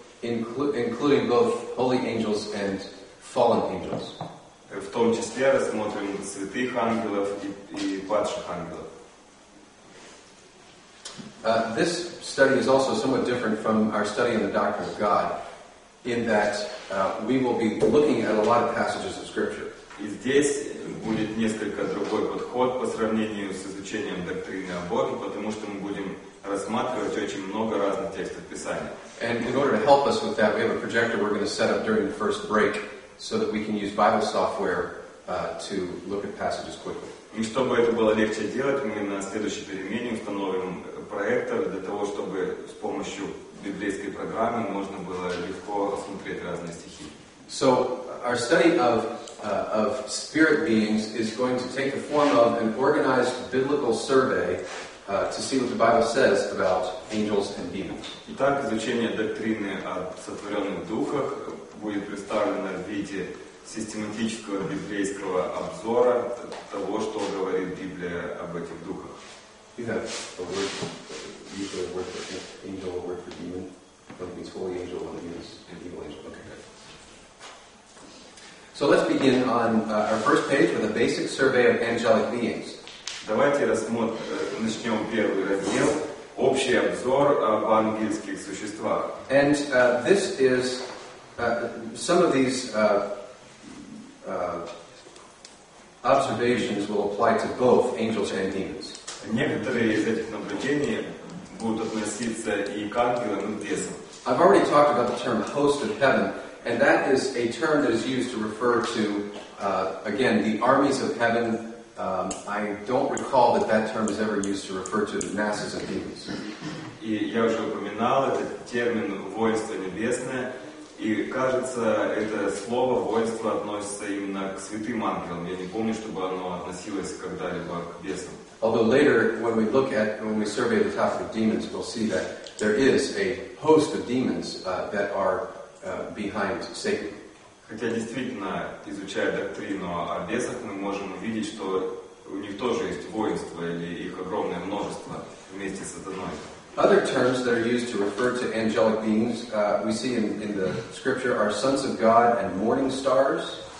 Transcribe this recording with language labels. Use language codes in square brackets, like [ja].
[en] Including both holy angels and fallen angels. [ru] В том числе рассмотрим святых ангелов и падших ангелов. [en] This study is also somewhat different from our study in the doctrine of God, in that we will be looking at a lot of passages of Scripture. [ru] И здесь будет несколько другой подход по сравнению с изучением доктрины о Боге, потому что мы будем рассматривать очень много разных текстов Писания. [en] And in order to help us with that, we have a projector we're going to set up during the first break so that we can use Bible software to look at passages quickly. [ru] И чтобы это было легче делать, мы на следующей перемене установим проектор для того, чтобы с помощью библейской программы можно было легко смотреть разные стихи. [en] So our study of spirit beings is going to take the form of an organized biblical survey to see what the Bible says about angels and demons. [ru] Итак, изучение доктрины о сотворенных духах будет представлено в виде систематического библейского обзора того, что говорит Библия об этих духах. [en] You have a word, usually a word for angel, a word for demon. One means holy angel, one means an evil angel. Okay, good. So let's begin on our first page with a basic survey of angelic beings. [ru] Давайте начнем первый раздел, общий обзор об ангельских существах. [en] And this is some of these observations will apply to both angels and demons. [ru] Некоторые из этих наблюдений будут относиться и к ангелам, и к бесам. [en] I've already talked about the term host of heaven, and that is a term that is used to refer to, again, the armies of heaven. I don't recall that term is ever used to refer to the masses of demons. [ru] И я уже упоминал этот термин «воинство небесное», и кажется, это слово «воинство» относится именно к святым ангелам. Я не помню, чтобы оно относилось когда-либо к бесам. [en] Although later, when we look at, when we survey the topic of demons, we'll see that there is a host of demons that are behind Satan. [ru] Хотя действительно, изучая доктрину о бесах, мы можем увидеть, что у них тоже есть воинство, или их огромное множество вместе с сатаной. [en] Other terms that are used to refer to angelic beings, we see in the scripture, are sons of God and morning stars.